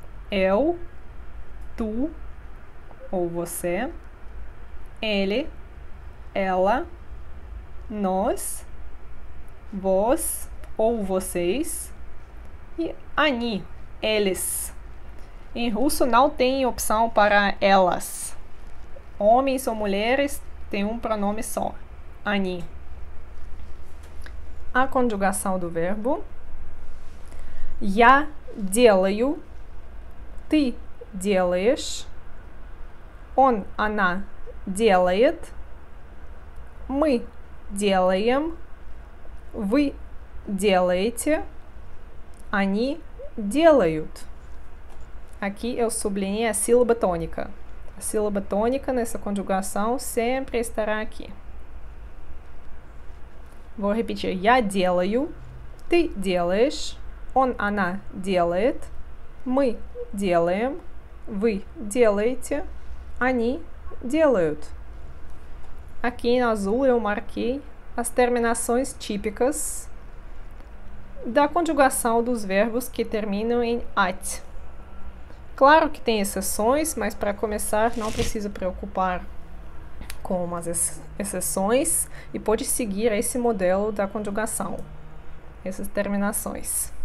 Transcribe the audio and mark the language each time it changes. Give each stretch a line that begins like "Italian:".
Portuguese: Eu, tu ou você, ele, ela, nós, vós ou vocês e они, eles. Em russo não tem opção para elas. Homens ou mulheres têm um pronome só, они. A conjugação do verbo.
Russian: Я делаю, ты делаешь, он, она делает, мы делаем, вы делаете, они делают.
Portuguese: Aqui eu sublinhei a sílaba tônica. A sílaba tônica nessa conjugação sempre estará aqui. Vou repetir.
Russian: Я делаю, ты делаешь, он, она делает, мы делаем, вы делаете, они делают.
Portuguese: Aqui em azul eu marquei as terminações típicas da conjugação dos verbos que terminam em at. Claro que tem exceções, mas para começar não precisa preocupar com as exceções e pode seguir esse modelo da conjugação, essas terminações.